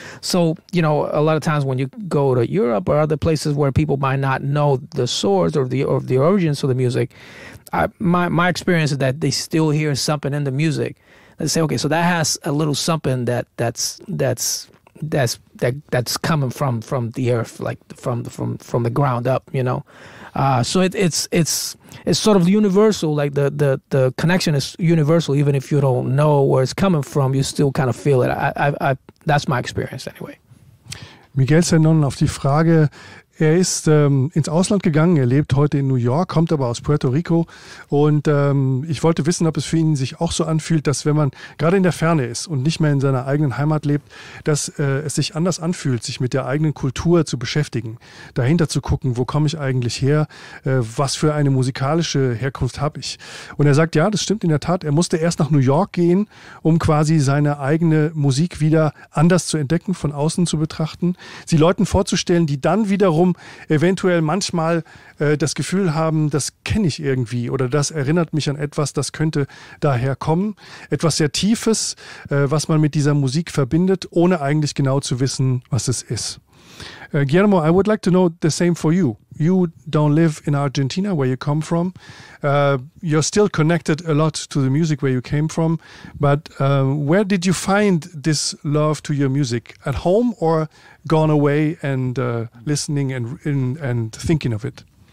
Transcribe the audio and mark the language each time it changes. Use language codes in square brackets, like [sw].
[en] So, you know, a lot of times when you go to Europe or other places where people might not know the source or the origins of the music, my experience is that they still hear something in the music and say, okay, so that has a little something that's coming from the earth, like from the ground up, you know. So it's sort of universal, like the connection is universal. Even if you don't know where it's coming from, you still kind of feel it. I that's my experience anyway. [de] Miguel Sennon, auf die Frage, er ist ins Ausland gegangen, er lebt heute in New York, kommt aber aus Puerto Rico, und ich wollte wissen, ob es für ihn sich auch so anfühlt, dass wenn man gerade in der Ferne ist und nicht mehr in seiner eigenen Heimat lebt, dass es sich anders anfühlt, sich mit der eigenen Kultur zu beschäftigen, dahinter zu gucken, wo komme ich eigentlich her, was für eine musikalische Herkunft habe ich. Und er sagt, ja, das stimmt in der Tat, er musste erst nach New York gehen, um quasi seine eigene Musik wieder anders zu entdecken, von außen zu betrachten, sie Leuten vorzustellen, die dann wiederum eventuell manchmal das Gefühl haben, das kenne ich irgendwie oder das erinnert mich an etwas, das könnte daher kommen. Etwas sehr Tiefes, was man mit dieser Musik verbindet, ohne eigentlich genau zu wissen, was es ist. [en] Guillermo, I would like to know the same for you. You don't live in Argentina, where you come from. You're still connected a lot to the music where you came from. But where did you find this love to your music? At home or gone away and listening and thinking of it?